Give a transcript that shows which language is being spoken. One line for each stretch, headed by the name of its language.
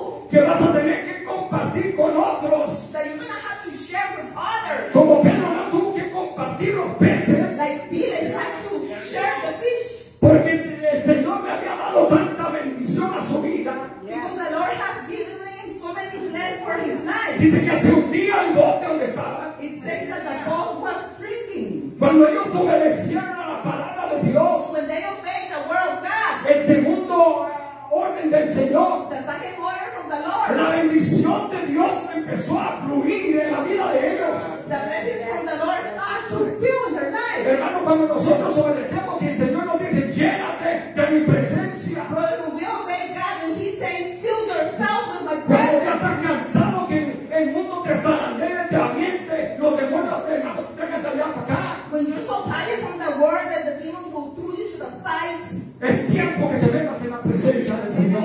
Spanish: Que vas a tener que compartir con otros.
English: That you're gonna have to share with others.
Spanish: Como Pedro no tuvo que compartir los peces.
English: Like Peter had to share the fish.
Spanish: Porque el Señor le había dado tanta bendición a su vida.
English: Yes. Because the Lord has given him so many blessings for his life.
Spanish: Dice que se hundía el bote donde estaba.
English: It said that the boat was drinking.
Spanish: Cuando ellos obedecieron a la palabra de Dios.
English: When they obeyed the word of God.
Spanish: El segundo orden del Señor.
English: The second order from the Lord.
Spanish: La bendición de Dios empezó a fluir en la vida de ellos.
English: The blessings from the Lord start to fill their lives.
Spanish: Hermano, cuando nosotros obedecemos y el Señor nos dice, llénate de mi presencia.
English: Brother, when we obey God and He says, fill yourself with my
Spanish: cuando
English: presence.
Spanish: Cuando estás cansado que el mundo te zarandee, te aviente, los demonios te tengan de allá para acá.
English: When you're so tired from the word that the demons will throw you to the sides.
Spanish: Es tiempo que te vengas en la presencia del Señor.